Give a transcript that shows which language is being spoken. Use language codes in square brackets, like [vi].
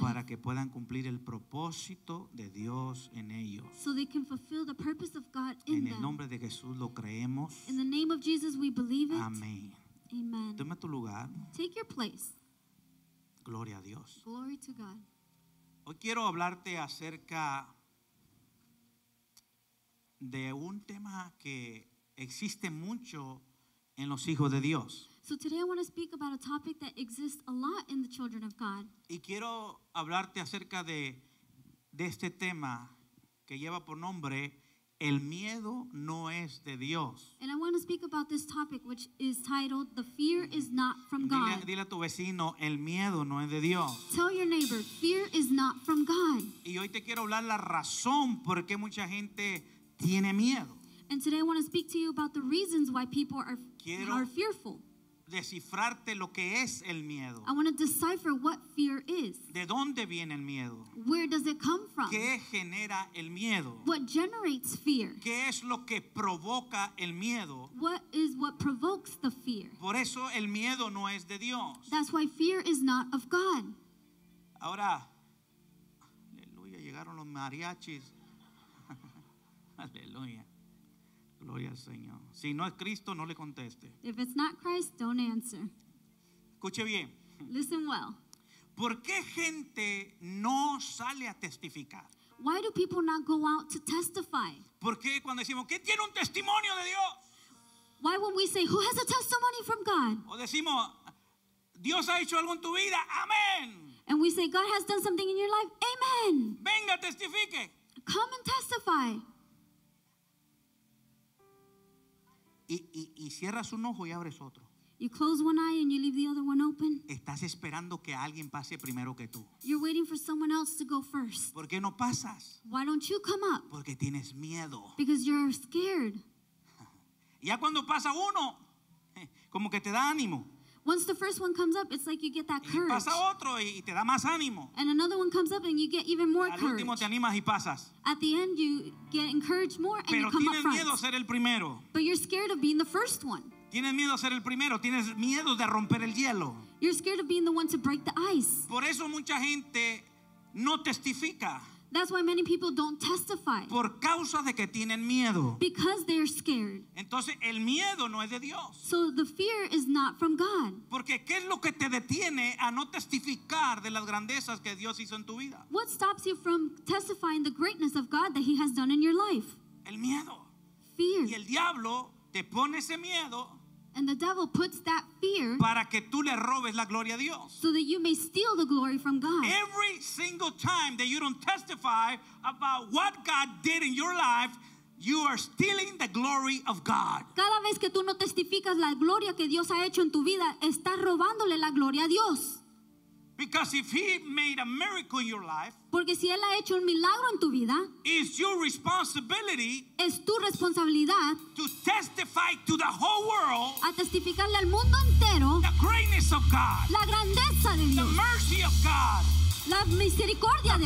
[es] Para que puedan cumplir el propósito de Dios en ellos. [en] So they can fulfill the purpose of God in them. [es] En el nombre de Jesús lo creemos. [en] In the name of Jesus we believe it. [es] Amén. [en] Amen. [es] Toma tu lugar. [en] Take your place. [es] Gloria a Dios. [en] Glory to God. [es] Hoy quiero hablarte acerca de un tema que existe mucho en los hijos de Dios. [en] So today I want to speak about a topic that exists a lot in the children of God. [es] Y quiero hablarte acerca de este tema que lleva por nombre El miedo no es de Dios. [en] And I want to speak about this topic which is titled The Fear is Not From God. [es] Dile a tu vecino, el miedo no es de Dios. [en] Tell your neighbor, fear is not from God. [es] Y hoy te quiero hablar la razón por qué mucha gente tiene miedo. [en] And today I want to speak to you about the reasons why people are fearful. [es] Descifrarte lo que es el miedo. [en] I want to decipher what fear is. [es] ¿De dónde viene el miedo? [en] Where does it come from? [es] ¿Qué genera el miedo? [en] What generates fear? [es] ¿Qué es lo que provoca el miedo? [en] What is what provokes the fear? [es] Por eso el miedo no es de Dios. [en] That's why fear is not of God. [es] Ahora, aleluya, llegaron los mariachis. Aleluya. Gloria al Señor. Si no es Cristo, no le conteste. [en] If it's not Christ, don't answer. [es] Escuche bien. [en] Listen well. [es] ¿Por qué gente no sale a testificar? [en] Why do people not go out to testify? [es] ¿Por qué cuando decimos, ¿quién tiene un testimonio de Dios? [en] Why when we say, who has a testimony from God? [es] O decimos, Dios ha hecho algo en tu vida, amén. [en] And we say, God has done something in your life, amen. [es] Venga, testifique. [en] Come and testify. [es] Y cierras un ojo y abres otro. [en] You close one eye and you leave the other one open. [es] Estás esperando que alguien pase primero que tú. [en] You're waiting for someone else to go first. [es] ¿Por qué no pasas? [en] Why don't you come up? [es] Porque tienes miedo. [en] Because you're scared. [es] Ya cuando pasa uno, como que te da ánimo. [en] Once the first one comes up, it's like you get that courage. [es] Y pasa otro y te da más ánimo. [en] And another one comes up and you get even more courage. [es] Al último te animas y pasas. [en] At the end, you get encouraged more and you come up front. [es] Pero tienes miedo a ser el primero. [en] But you're scared of being the first one. [es] Tienes miedo a ser el primero. Tienes miedo de romper el hielo. [en] You're scared of being the one to break the ice. [es] Por eso mucha gente no testifica. [en] That's why many people don't testify. [es] Por causa de que tienen miedo. [en] Because they're scared. [es] Entonces, el miedo no es de Dios. [en] So the fear is not from God. [es] Porque ¿qué es lo que te detiene a no testificar de las grandezas que Dios hizo en tu vida? [en] What stops you from testifying the greatness of God that he has done in your life? [es] El miedo. [en] Fear. [es] Y el diablo te pone ese miedo. [en] And the devil puts that fear [es] para que tú le robes la gloria a Dios. [en] So that you may steal the glory from God. Every single time that you don't testify about what God did in your life, you are stealing the glory of God. [es] Cada vez que tú no testificas la gloria que Dios ha hecho en tu vida, estás robándole la gloria a Dios. [en] Because if he made a miracle in your life, [es] porque si él ha hecho un milagro en tu vida, [en] it's your responsibility, [es] es tu responsabilidad, [en] to testify to the whole world, [es] a testificarle al mundo entero, [en] the greatness of God, [es] la grandeza de Dios, [en] the mercy of God, [es] la misericordia de